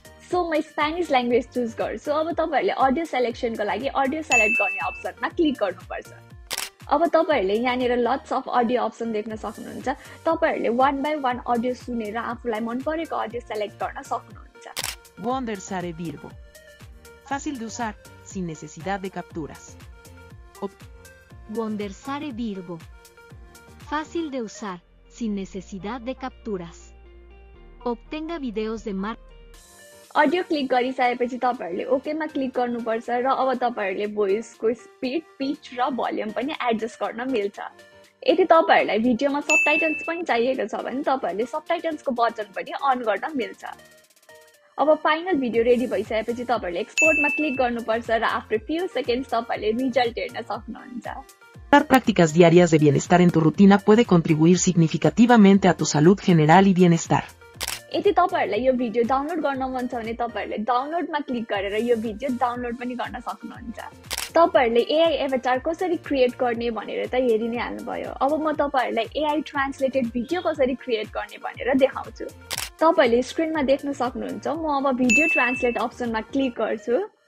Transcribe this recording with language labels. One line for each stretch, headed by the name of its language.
Nepali: So म Spanish language choose गर्छु. अब तपाईँहरूले अडियो सेलेक्सनको लागि अडियो सेलेक्ट गर्ने अप्सनमा क्लिक गर्नुपर्छ. अब तपाईँहरूले यहाँनिर लट्स अफ अडियो अप्सन देख्न सक्नुहुन्छ. तपाईँहरूले वान बाई वान अडियो सुनेर आफूलाई मन परेको अडियो सेलेक्ट गर्न सक्नुहुन्छ.
Spanish: Wondershare Virgo. Fácil de usar, sin necesidad de capturas. Wondershare Virgo. Fácil de usar, sin necesidad de capturas. Obtenga videos de mar.
Nepali: Audio click गरिसकेपछि तपाईँहरूले ओकेमा क्लिक गर्नुपर्छ र अब तपाईँहरूले भोइसको स्पिड, पिच र भोल्युम पनि एडजस्ट गर्न मिल्छ. यदि तपाईँहरूलाई भिडियोमा सबटाइटल्स पनि चाहिएको छ भने तपाईँहरूले सबटाइटल्सको बटन पनि अन गर्न मिल्छ. अब फाइनल भिडियो रेडी भइसकेपछि तपाईँहरूले एक्सपोर्टमा क्लिक गर्नुपर्छ र आफ्टर फ्यु सेकेन्ड्स तपाईँहरूले रिजल्ट हेर्न सक्नुहुन्छ.
Spanish: Adoptar prácticas diarias de bienestar en tu rutina puede contribuir significativamente a tu salud general y bienestar.
Nepali: यदि तपाईहरुलाई यो भिडियो डाउनलोड गर्न मन छ भने तपाईहरुले डाउनलोड मा क्लिक गरेर यो भिडियो डाउनलोड पनि गर्न सक्नुहुन्छ। तपाईहरुले एआई एभटार कसरी क्रिएट गर्ने भनेर त हेरि नै हाल्नुभयो। अब म तपाईहरुलाई एआई ट्रान्सलेटेड भिडियो कसरी क्रिएट गर्ने भनेर देखाउँछु। तपाईहरुले स्क्रिनमा देख्न सक्नुहुन्छ म अब भिडियो ट्रान्सलेट अप्सनमा क्लिक गर्छु।